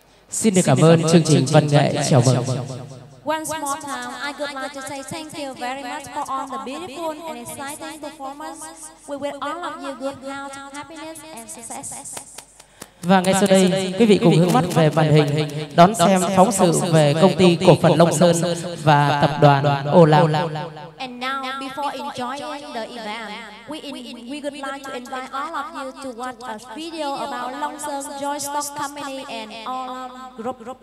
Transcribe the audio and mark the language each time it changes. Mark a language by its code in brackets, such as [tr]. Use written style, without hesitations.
[vi] Xin được cảm ơn chương trình Văn Nghệ Chào Mừng. [en] Once more time, I would like to say thank you very much for all the beautiful and exciting performance. We wish all of you good health, happiness and success. [vi] Và ngay sau đây, quý vị cùng hướng mắt về màn hình đón xem phóng sự về công ty cổ phần Long Sơn và tập đoàn Ô Lao. [en] And now, before enjoying the event, we would like to invite all of you to watch a video about Long Sơn Joy Stock Company and all group.